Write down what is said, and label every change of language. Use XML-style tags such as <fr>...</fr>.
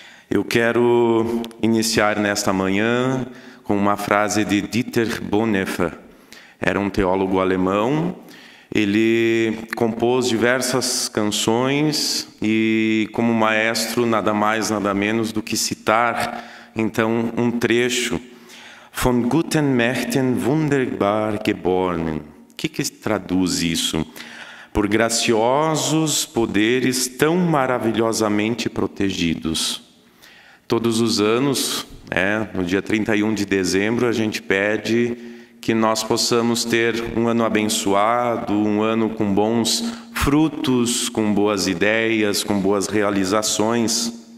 <pt>Eu quero iniciar nesta manhã com uma frase de Dieter Bonhoeffer. Era um teólogo alemão. Ele compôs diversas canções e, como maestro, nada mais, nada menos do que citar, então, um trecho.</pt> <de>Von guten Mächten wunderbar geboren.</de> <pt>O que traduz isso? Por graciosos poderes tão maravilhosamente protegidos. Todos os anos, no dia 31 de dezembro, a gente pede que nós possamos ter um ano abençoado, um ano com bons frutos, com boas ideias, com boas realizações.</pt>